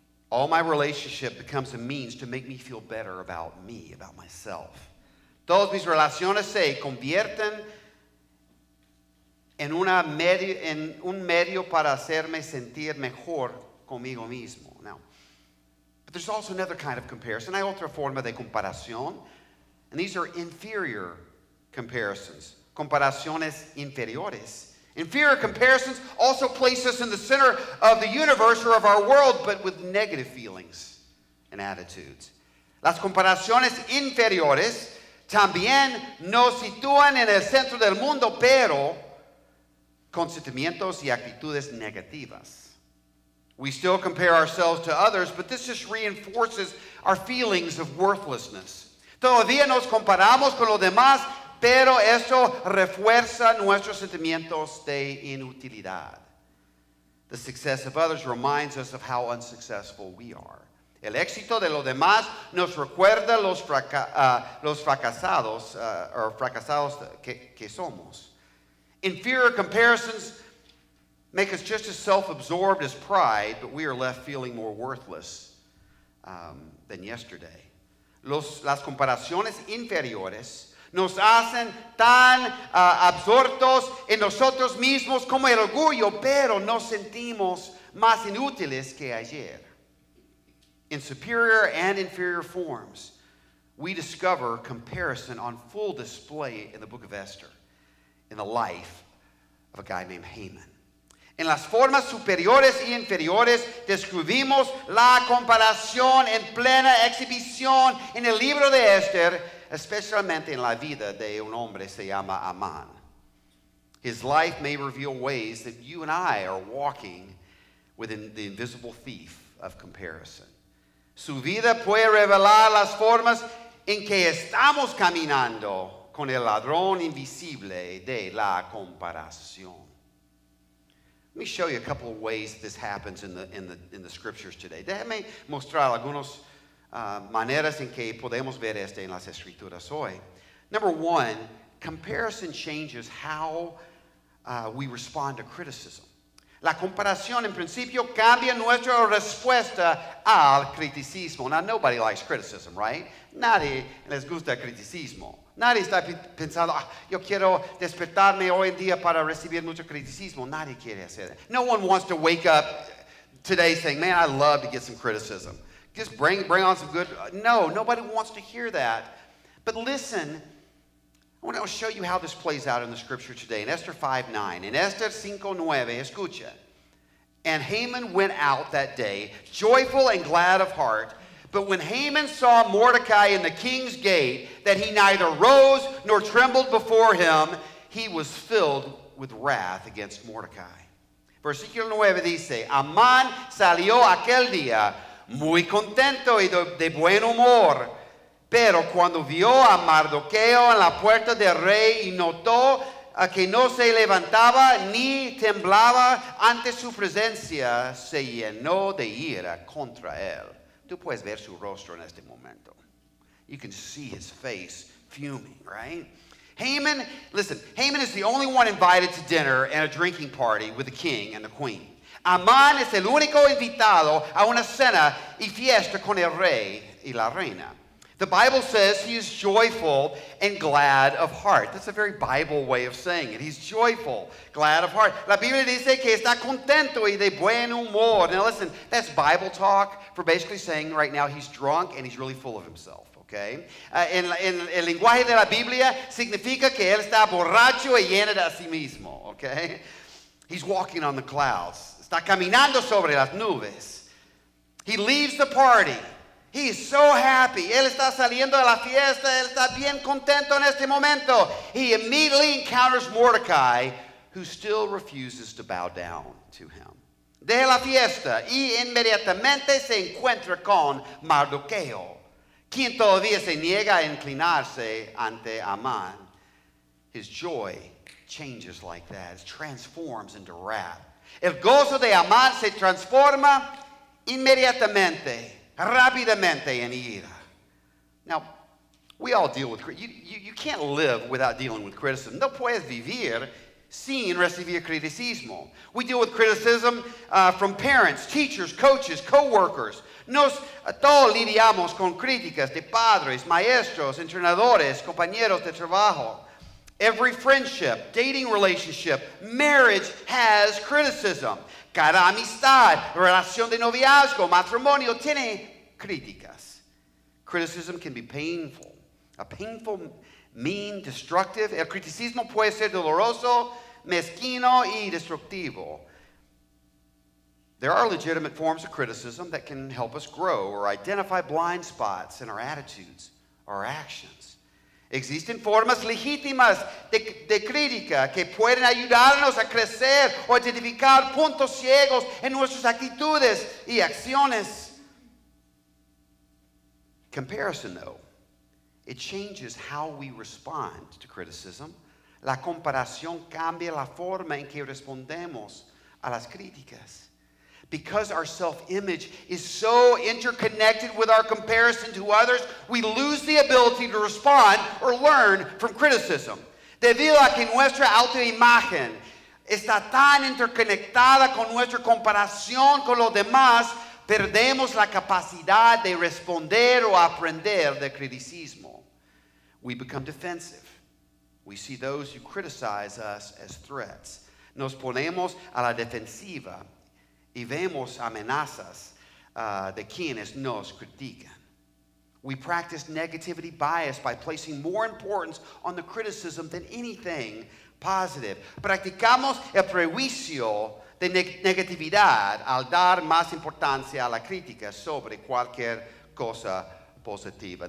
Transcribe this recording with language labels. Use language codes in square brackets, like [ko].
[en] All my relationship becomes a means to make me feel better about me, about myself. [es] Todas mis relaciones se convierten en un medio para hacerme sentir mejor conmigo mismo. [en] Now, but there's also another kind of comparison. [es] Hay otra forma de comparación. [en] And these are inferior comparisons. [es] Comparaciones inferiores. [en] Inferior comparisons also place us in the center of the universe or of our world, but with negative feelings and attitudes. [es] Las comparaciones inferiores también nos sitúan en el centro del mundo, pero con sentimientos y actitudes negativas. [en] We still compare ourselves to others, but this just reinforces our feelings of worthlessness. [es] Todavía nos comparamos con los demás, pero esto refuerza nuestros sentimientos de inutilidad. [en] The success of others reminds us of how unsuccessful we are. [es] El éxito de los demás nos recuerda los fracasados que somos. [en] Inferior comparisons make us just as self-absorbed as pride, but we are left feeling more worthless than yesterday. [es] Las comparaciones inferiores nos hacen tan absortos en nosotros mismos como el orgullo, pero nos sentimos más inútiles que ayer. [en] In superior and inferior forms, we discover comparison on full display in the book of Esther, in the life of a guy named Haman. [es] En las formas superiores y inferiores, describimos la comparación en plena exhibición en el libro de Esther, especialmente en la vida de un hombre que se llama Amán. [en] His life may reveal ways that you and I are walking within the invisible thief of comparison. [es] Su vida puede revelar las formas en que estamos caminando con el ladrón invisible de la comparación. [en] Let me show you a couple of ways this happens in the scriptures today. [es] Déjame mostrar algunas maneras en que podemos ver esto en las escrituras hoy. [en] Number one, comparison changes how we respond to criticism. [es] La comparación, en principio, cambia nuestra respuesta al criticismo. [en] Now, nobody likes criticism, right? [es] Nadie les gusta el criticismo. Nadie está pensando, yo quiero despertarme hoy en día para recibir mucho criticismo. Nadie quiere hacer [en] that. No one wants to wake up today saying, man, I'd love to get some criticism. Just bring on some good. No, nobody wants to hear that. But listen, I want to show you how this plays out in the scripture today. In Esther 5:9, in Esther 5:9, [es] escucha. [en] And Haman went out that day, joyful and glad of heart. But when Haman saw Mordecai in the king's gate, that he neither rose nor trembled before him, he was filled with wrath against Mordecai. [es] Versículo 9 dice, Amán salió aquel día muy contento y de buen humor. Pero cuando vio a Mardoqueo en la puerta del rey y notó que no se levantaba ni temblaba ante su presencia, se llenó de ira contra él. Tú puedes ver su rostro en este momento. [en] You can see his face fuming, right? Haman is the only one invited to dinner and a drinking party with the king and the queen. [es] Amán es el único invitado a una cena y fiesta con el rey y la reina. [en] The Bible says he is joyful and glad of heart. That's a very Bible way of saying it. He's joyful, glad of heart. [es] La Biblia dice que está contento y de buen humor. [en] Now listen, that's Bible talk for basically saying right now he's drunk and he's really full of himself, okay? [es] En el lenguaje de la Biblia significa que él está borracho y lleno de sí mismo, okay? [en] He's walking on the clouds. [es] Está caminando sobre las nubes. [en] He leaves the party. He is so happy. [es] Él está saliendo de la fiesta. Él está bien contento en este momento. [en] He immediately encounters Mordecai, who still refuses to bow down to him. [es] Deja la fiesta y inmediatamente se encuentra con Mardoqueo, quien todavía se niega a inclinarse ante Amán. [en] His joy changes like that. It transforms into wrath. [es] El gozo de Amán se transforma inmediatamente. Rápidamente en ira. [en] Now, we all deal with criticism. You can't live without dealing with criticism. [es] No puedes vivir sin recibir criticismo. [en] We deal with criticism from parents, teachers, coaches, co-workers. [es] Todos lidiamos con críticas de padres, maestros, entrenadores, compañeros de trabajo. [en] Every friendship, dating relationship, marriage has criticism. [es] Cada amistad, relación de noviazgo, matrimonio, tiene críticas. [en] Criticism can be painful. A painful, mean, destructive. [es] El criticismo puede ser doloroso, mezquino, y destructivo. [en] There are legitimate forms of criticism that can help us grow or identify blind spots in our attitudes or actions. [es] Existen formas legítimas de crítica que pueden ayudarnos a crecer o identificar puntos ciegos en nuestras actitudes y acciones. [en] Comparison, though, it changes how we respond to criticism. [es] La comparación cambia la forma en que respondemos a las críticas. [en] Because our self-image is so interconnected with our comparison to others, we lose the ability to respond or learn from criticism. [es] Debido a que nuestra autoimagen está tan interconectada con nuestra comparación con los demás, perdemos la capacidad de responder o aprender del criticismo. [en] We become defensive. We see those who criticize us as threats. [es] Nos ponemos a la defensiva y vemos amenazas de quienes nos critican. [en] We practice negativity bias by placing more importance on the criticism than anything positive. [es] Practicamos el prejuicio de negatividad al dar más importancia a la crítica sobre cualquier cosa positiva.